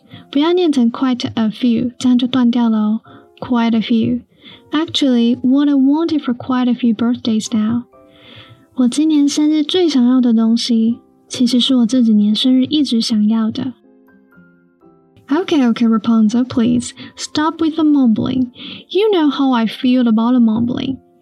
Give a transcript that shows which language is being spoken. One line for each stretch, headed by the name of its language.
Chinese: 不要念成
English: quite a few,
Chinese: 这样就断掉了哦。
English: Quite a few. Actually, what I wanted for quite a few birthdays now.
Chinese: 我今年生日最想要的东西，其实是我这几年生日一直想要的。
English: Okay, Rapunzel, please, stop with the mumbling. You know how I feel about the mumbling.